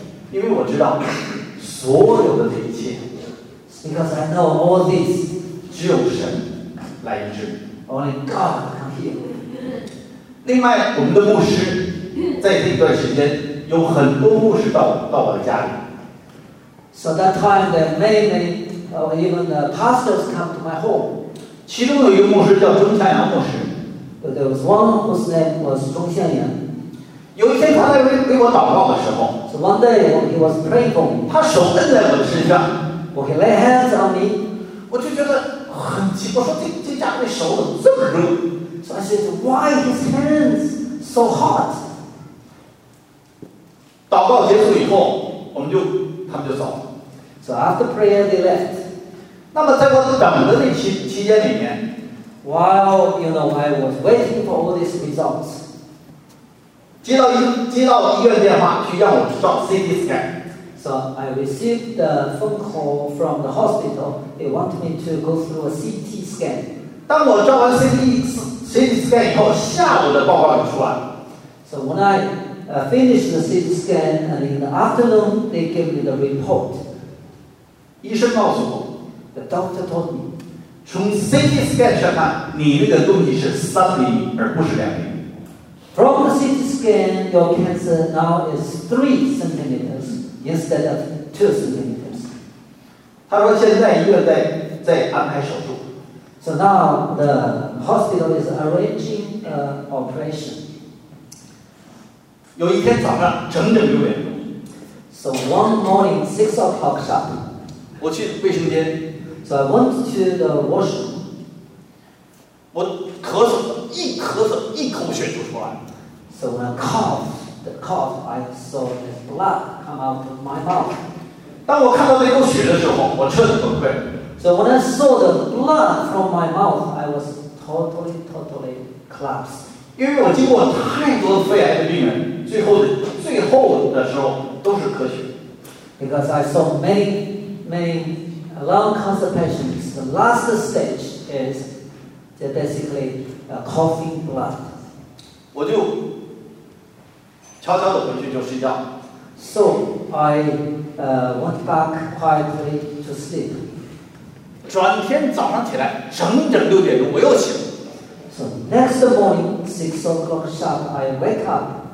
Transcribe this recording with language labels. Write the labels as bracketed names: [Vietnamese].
[Chinese] 因为我知道所有的这一切。 [English] Because I know all this. [Chinese] 只有神来医治。 [English] Only God can heal. [Chinese] 另外，我们的牧师在这段时间有很多牧师到我的家里。 [English] So that time there are many even the pastors come to my home. [Chinese] 其中有一个牧师叫钟向阳牧师。 [English] But there was one whose name was 钟向阳。 [Chinese] 有一天他在为我祷告的时候， [English] So one day he was praying for me. [Chinese] 他手摁在我的身上， [English] Well, he laid hands on me. [Chinese] 我就觉得很奇怪，我说这家伙手怎么这么热？ [English] So I said, why his hands so hot? [Chinese] 祷告结束以后，他们就走了。 [English] So after prayer they left. [Chinese] 那么在我等的那期间里面。 [English] While you know I was waiting for all these results, [Chinese] 接到医院电话去让我照 CT scan. [English] So I received the phone call from the hospital. They want me to go through a CT scan. [Chinese] 当我照完 CT scan 以后，下午的报告就出来。 [English] So when I finished the CT scan and in the afternoon they gave me the report. [Chinese] 医生告诉我， [English] The doctor told me. [Chinese] 从 CT scan 上看，你那个东西是3厘米，而不是2厘米。 [English] From the CT scan, your cancer now is 3 centimeters instead of 2 centimeters. [Chinese] 他说现在医院在安排手术。 [English] So now the hospital is arranging an operation. [Chinese] 有一天早上整整6点钟。 [English] So one morning, 6 o'clock sharp. [Chinese] 我去卫生间。 [English] So I went to the washroom. [Chinese] 我咳嗽，一咳嗽，一口血就出来。 [English] So when I coughed, I saw the blood come out of my mouth. [Chinese] 当我看到那口血的时候，我彻底崩溃。 [English] So when I saw the blood from my mouth, I was totally collapsed. [Chinese] 因为我经过太多肺癌的病人，最后的时候都是咳血。 [English] Because I saw many. Lung cancer patients, the last stage is basically coughing blood. [Chinese] 我就悄悄地回去就睡觉。 [English] So I went back quietly to sleep. [Chinese] 转天早上起来，整整六点钟，我又醒了。 [English] So next morning, 6 o'clock sharp, I wake up.